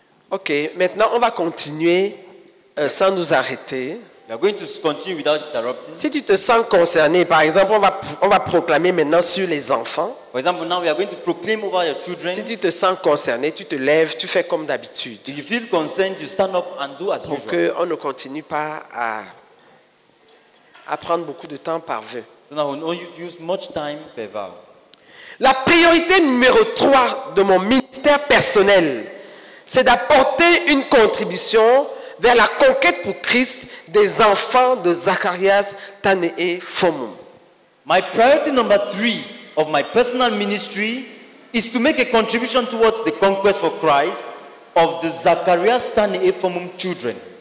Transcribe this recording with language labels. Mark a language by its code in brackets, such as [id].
[fr] Ok, maintenant on va continuer sans nous arrêter. [en] We are going to continue without interrupting. [fr] Si tu te sens concerné, par exemple, on va proclamer maintenant sur les enfants. [en] For example, now we are going to proclaim over your children. [fr] Si tu te sens concerné, tu te lèves, tu fais comme d'habitude. [en] If you feel concerned, you stand up and do as usual. [fr] Pour que on ne continue pas à prendre beaucoup de temps par vœu. [en] So now we don't use much time per vow. [fr] La priorité numéro 3 de mon ministère personnel, c'est d'apporter une contribution vers la conquête pour Christ des enfants de Zacharias Tanee Fomon. [en] My priority number 3 of my personal ministry is to make a contribution towards the conquest for Christ of the Zacharias Tanee Fomon children.